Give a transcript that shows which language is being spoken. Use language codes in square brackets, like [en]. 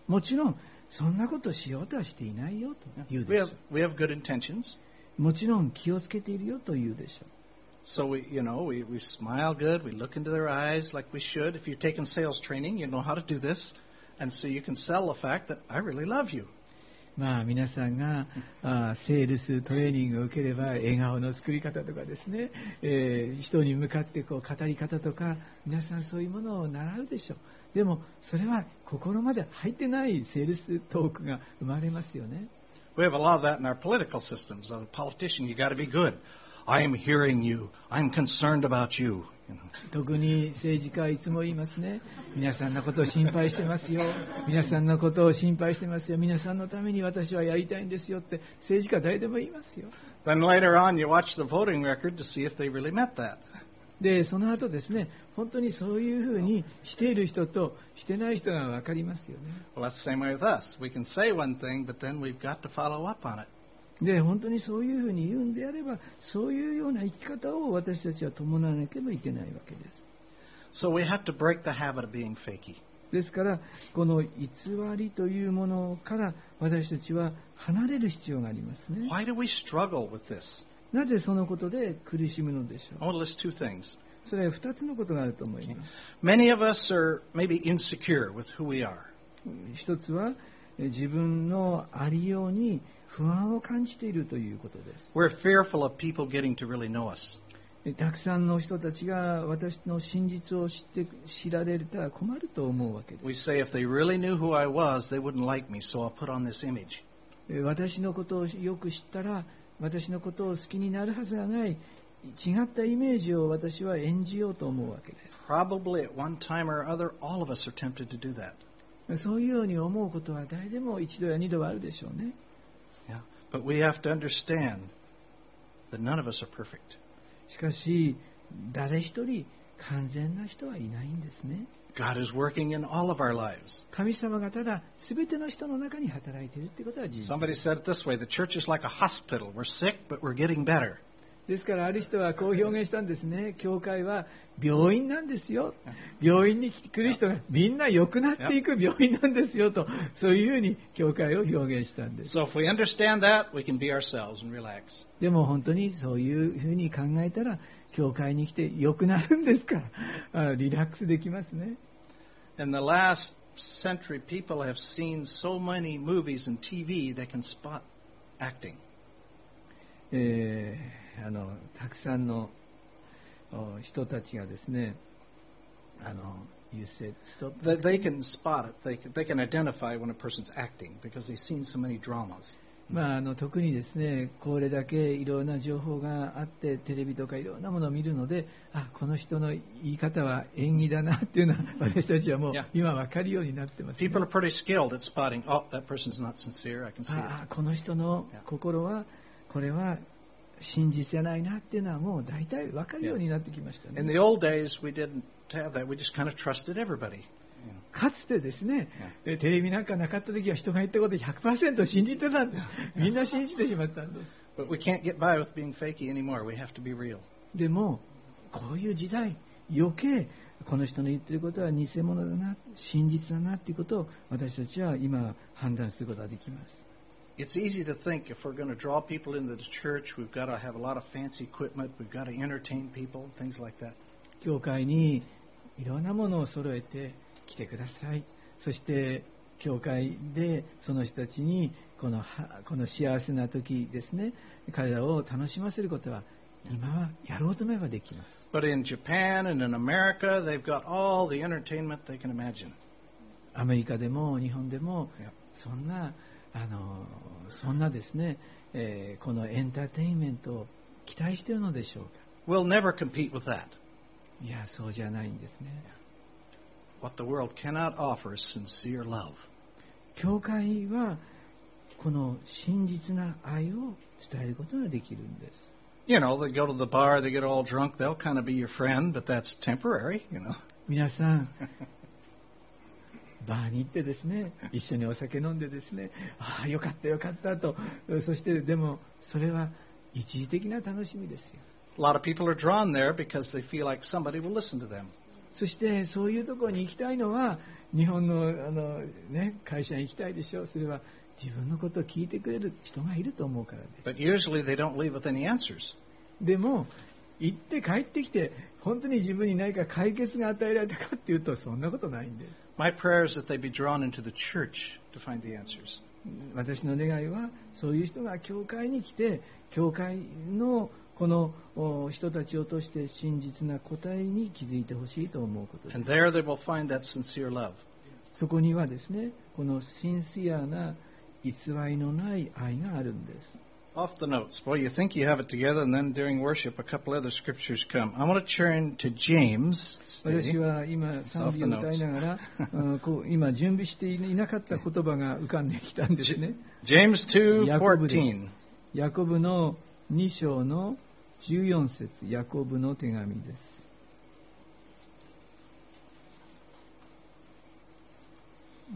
[ja] もちろんそんなことしようとはしていないよと言うでしょう。 [en] We have good intentions. [ja] もちろん気をつけているよと言うでしょう。 [en] So we smile good, we look into their eyes like we should. If you've taken sales training, you know how to do this, and so you can sell the fact that I really love you. [ja] まあ皆さんがセールストレーニングを受ければ笑顔の作り方とかですね、人に向かってこう語り方とか皆さんそういうものを習うでしょう。でもそれは心まで入ってないセールストークが生まれますよね。 [en] We have a lot of that in our political systems. As a politician, you got to be good. I am hearing you. I'm concerned about you. [ja] 特に政治家はいつも言いますね。皆さんのことを心配してますよ。皆さんのことを心配してますよ。皆さんのために私はやりたいんですよって政治家誰でも言いますよ。 [en] Then later on, you watch the voting record to see if they really met that. [ja] で、その後ですね、本当にそういうふうにしている人としてない人が分かりますよね。 [en] Well, that's the same way with us. We can say one thing, but then we've got to follow up on it. [ja] で本当にそういうふうに言うんであればそういうような生き方を私たちは伴わなければいけないわけです。 [en] So we have to break the habit of being fakey. [ja] ですからこの偽りというものから私たちは離れる必要がありますね。 [en] Why do we struggle with this? [ja] なぜそのことで苦しむのでしょう。 [en] I want to list two things. [ja] それは二つのことがあると思います。 [en] Many of us are maybe insecure with who we are. [ja] 一つは自分のありように不安を感じているということです。 [en] We're fearful of people getting to really know us. [ja] たくさんの人たちが私の真実を知られたら困ると思うわけです。 [en] We say if they really knew who I was, they wouldn't like me, so I'll put on this image. [ja] 私のことをよく知ったら私のことを好きになるはずがない、違ったイメージを私は演じようと思うわけです。 [en] Probably at one time or other, all of us are tempted to do that. [ja] そういうように思うことは誰でも一度や二度はあるでしょうね。 [en] Yeah. But we have to understand that none of us are perfect. [ja] しかし誰一人完全な人はいないんですね。 [en] God is working in all of our lives. [ja] 神様がただ全ての人の中に働いているってことは事実。 [en] Somebody said it this way, the church is like a hospital. We're sick, but we're getting better. [ja] ですからある人はこう表現したんですね。教会は病院なんですよ。病院に来る人がみんな良くなっていく病院なんですよと、そういうふうに教会を表現したんです。 [en] So if we understand that, we can be ourselves and relax. [ja] でも本当にそういうふうに考えたら、教会に来て良くなるんですから、リラックスできますね。 [en] In the last century, people have seen so many movies and TV they can spot acting. [ja] たくさんの人たちがですね、 [en] You said stop. They can spot it. They can identify when a person's acting because they've seen so many dramas. [ja] まあ特にですね、これだけいろんな情報があってテレビとかいろんなものを見るので、あ、この人の言い方は演技だなっていうのは私たちはもう今わかるようになってます、ね。 [en] People are pretty skilled at spotting. Oh, that person's not sincere. I can see. [ja] あ、この人の心はこれは真実じゃないなっていうのはもう大体分かるようになってきましたね。 [en] In the old days, we didn't have that. We just kind of trusted everybody. [ja] かつてですね、テレビなんかなかった時は人が言ったこと 100% 信じてたんです。みんな信じてしまったんです。 [en] But we can't get by with being fake anymore. We have to be real. [ja] でも、こういう時代、余計この人の言ってることは偽物だな、真実だなっていうことを私たちは今判断することができます。 [en] It's easy to think if we're going to draw people into the church, we've got to have a lot of fancy equipment, we've got to entertain people, things like that. [ja] 教会にいろんなものを揃えて来てください。そして教会でその人たちにこの幸せな時ですね、彼らを楽しませることは今はやろうと思えばできます。 [en] But in Japan and in America, they've got all the entertainment they can imagine. [ja] アメリカでも日本でもそんなそんなですね、このエンターテインメントを期待しているのでしょうか。 [en] We'll never compete with that. [ja] いや、そうじゃないんですね。 [en] What the world cannot offer is sincere love. [ja] 教会はこの真実な愛を伝えることができるんです。 [en] You know, they go to the bar, they get all drunk, they'll kind of be your friend, but that's temporary, you know. [ja] 皆さん。バーに行ってですね、一緒にお酒飲んでですね、ああよかったよかったと、そしてでもそれは一時的な楽しみですよ。 [en] A lot of people are drawn there because they feel like somebody will listen to them. [ja] そしてそういうところに行きたいのは、日本の会社に行きたいでしょう。それは自分のことを聞いてくれる人がいると思うからです。 [en] But usually they don't leave with any answers. [ja] でも行って帰ってきて本当に自分に何か解決が与えられたかっていうとそんなことないんです。 [en] My prayer is that they be drawn into the church to find the answers. [ja] 私の願いはそういう人が教会に来て教会のこの人たちを通して真実な答えに気づいてほしいと思うことです。 [en] And there they will find that sincere love. [ja] そこにはですね、このシンシアな偽りのない愛があるんです。 [en] Off the notes. Well, you think you have it together, and then during worship, a couple other scriptures come. I want to turn to James. [ja] 私は今賛美を歌いながら、今準備していなかった言葉が浮かんできたんですね。 [en] James 2:14. [ja] ヤコブの2章の14節、ヤコブの手紙です。